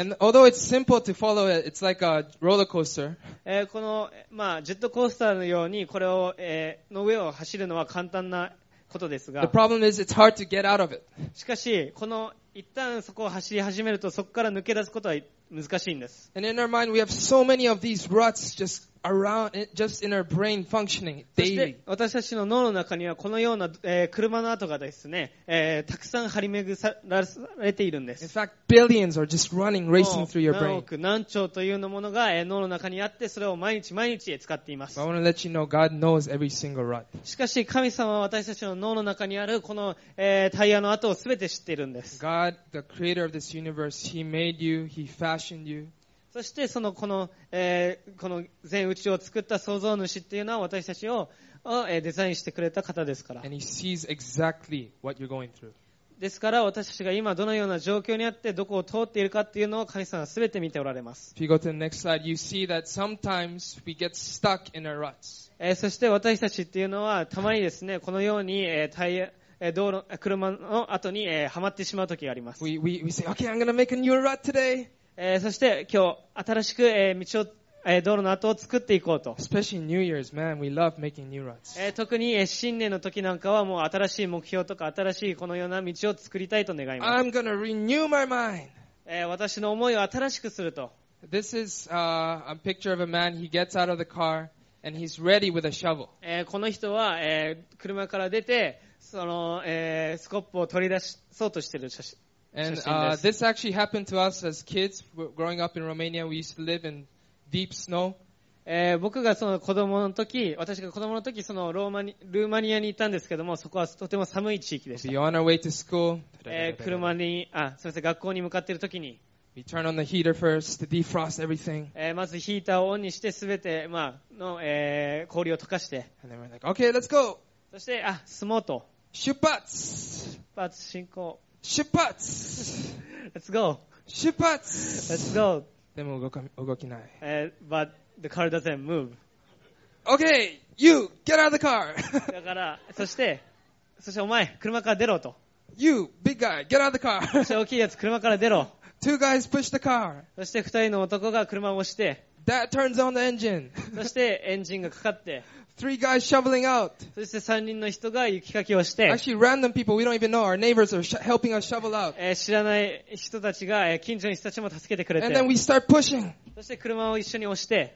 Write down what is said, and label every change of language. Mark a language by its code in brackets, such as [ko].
[en] And although it's simple to follow it, it's like a roller coaster. [ja] この、まあ、ジェットコースターのように、これを、の上を走るのは簡単なことですが、 [en] the problem is it's hard to get out of it. [ja] しかし、この、一旦そこを走り始めると、そこから抜け出すことは難しいんです。 [en] And in our mind, we have so many of these ruts just around, just in our brain functioning daily. [ja] そして、私たちの脳の中には、このような、車の跡がですね、たくさん張り巡られているんです。 [en] In fact, billions are just running, racing through your brain. [ja] 何億、何兆というものが、脳の中にあって、それを毎日毎日使っています。 [en] But I want to let you know, God knows every single rut. [ja] しかし、神様は私たちの脳の中にある、この、タイヤの跡を全て知っているんです。 [en] God, the creator of this universe, He made you, He fashioned you. [ja] そしてそのこの、この全宇宙を作った創造主っていうのは私たちを、デザインしてくれた方ですから。 [en] And he sees exactly what you're going through. [ja] ですから私たちが今どのような状況にあってどこを通っているかっていうのを神様は全て見ておられます。 [en] If you go to the next slide, you see that sometimes we get stuck in our ruts. [ja] そして私たちっていうのはたまにですね、このように、タイヤ、道路、車の後に、はまってしまう時があります。 [en] We say, okay, I'm gonna make a new rut today. [ja] そして今日新しく道を道路の跡を作っていこうと。 [en] Especially New Year's, man, we love making new ruts. [ja] 特に新年の時なんかはもう新しい目標とか新しいこのような道を作りたいと願います。 [en] I'm gonna renew my mind. [ja] 私の思いを新しくすると。 [en] This is a picture of a man. He gets out of the car and he's ready with a shovel. [ja] この人は車から出てそのスコップを取り出しそうとしている写真。 [en] And this actually happened to us as kids growing up in Romania. We used to live in deep snow. [ja] 僕がその子供の時、私が子供の時、そのルーマニアにいたんですけども、そこはとても寒い地域でした。 [en] We're on our way to school. [ja] 車に、あ、すみません、学校に向かっている時に。 [en] We turn on the heater first to defrost everything. [ja] まずヒーターをオンにして、すべて、まあ、の、氷を溶かして。 [en] And then we're like, okay, let's go! [ja] そして、あ、進もうと。出発！出発進行。出発 [en] Let's go. [ja] 出発 [en] Let's go. [ja] でも動きない。 [en] But the car doesn't move. Okay, you, get out of the car. [ja] だから、そしてお前、車から出ろと。 [en] You, big guy, get out of the car. [ja] そして大きいやつ、車から出ろ。 [en] Two guys push the car. [ja] そして二人の男が車を押して。 [en] That turns on the engine. [ja] そしてエンジンがかかって。 [en] Three guys shoveling out. [ja] そして三人の人が雪かきをして。 [en] Actually, random people we don't even know. Our neighbors are helping us shovel out. [ja] 知らない人たちが近所の人たちも助けてくれて。 [en] And then we start pushing. [ja] そして車を一緒に押して。